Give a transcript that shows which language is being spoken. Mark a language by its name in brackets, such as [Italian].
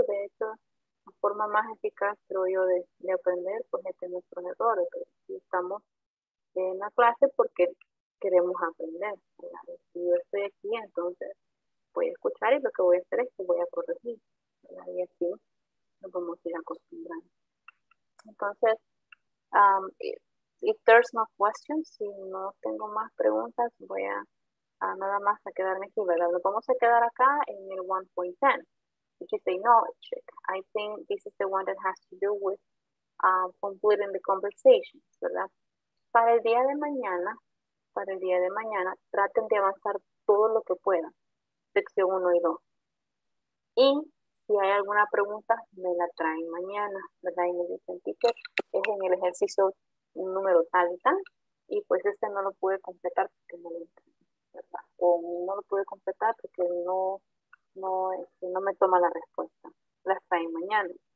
[Spanish] De hecho, la forma más eficaz, creo yo, de aprender, pues es de nuestros errores, si estamos en la clase porque queremos aprender, ¿verdad? Si yo estoy aquí, entonces voy a escuchar y lo que voy a hacer es que voy a corregir, ¿verdad? Y así nos vamos a ir acostumbrando. Entonces, [English] if there's no questions, [Spanish] si no tengo más preguntas, voy a nada más a quedarme aquí, ¿verdad? Nos vamos a quedar acá en el 1.10, [English] which is a knowledge check. I think this is the one that has to do with completing the conversations, [Spanish] ¿verdad? Para el día de mañana, traten de avanzar todo lo que puedan, sección 1 y 2. Y si hay alguna pregunta, me la traen mañana, ¿verdad? Y me dicen, teacher, es en el ejercicio un número tal y tal, y pues este no lo pude completar porque no lo entendí, ¿verdad? O no lo pude completar porque no me toma la respuesta. La trae mañana.